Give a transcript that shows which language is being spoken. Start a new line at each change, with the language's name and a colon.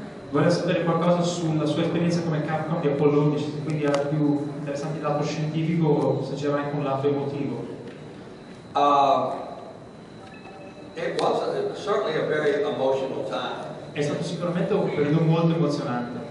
Italian: Vorrei sapere qualcosa sulla sua esperienza come Capcom di Apollo 11, quindi era più interessante il lato scientifico o se c'era anche un lato emotivo?
English: It was certainly a very emotional time.
Italian: È stato sicuramente un periodo molto emozionante.